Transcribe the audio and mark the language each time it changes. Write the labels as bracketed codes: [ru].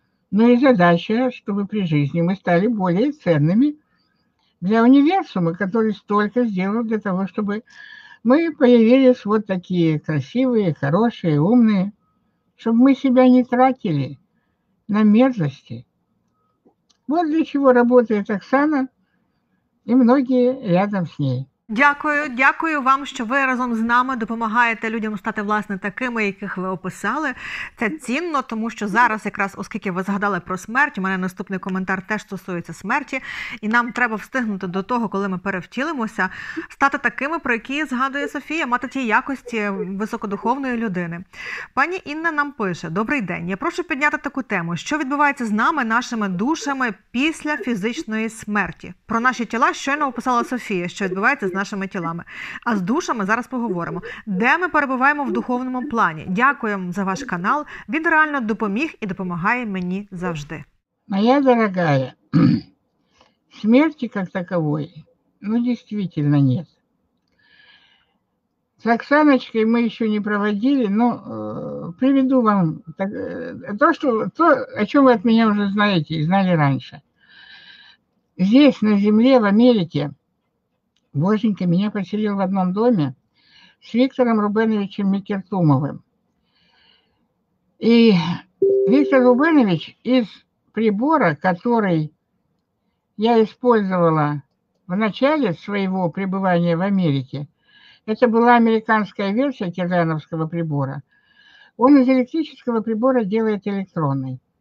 [ru] Но и задача, чтобы при жизни мы стали более ценными для универсума, который столько сделал для того, чтобы мы появились вот такие красивые, хорошие, умные, чтобы мы себя не тратили на мерзости. Вот для чего работает Оксана и многие рядом с ней. [uk] Дякую, дякую вам, що ви разом з нами допомагаєте людям стати, власне, такими, яких ви описали. Це цінно, тому що зараз, якраз оскільки ви згадали про смерть, у мене наступний коментар теж стосується смерті, і нам треба встигнути до того, коли ми перевтілимося, стати такими, про які згадує Софія, мати ті якості високодуховної людини. Пані Інна нам пише: «Добрий день, я прошу підняти таку тему, що відбувається з нами, нашими душами після фізичної смерті. Про наші тіла щойно описала Софія, що відбувається з нашими тілами. А з душами зараз поговоримо. Де ми перебуваємо в духовному плані? Дякуємо за ваш канал. Він реально допоміг і допомагає мені завжди». [ru] Моя дорогая, [uk] смерті як такової, ну, дійсно, ні. З Оксаночкою ми ще не проводили, але приведу вам те, о чому ви від мене вже знаєте і знали раніше. [ru] Здесь, [uk] на Землі, в Америці, [ru] Боженька меня поселил в одном доме с Виктором Рубеновичем Микертумовым. И Виктор Рубенович из прибора, который я использовала в начале своего пребывания в Америке, это была американская версия кирляновского прибора, он из электрического прибора делает электронный.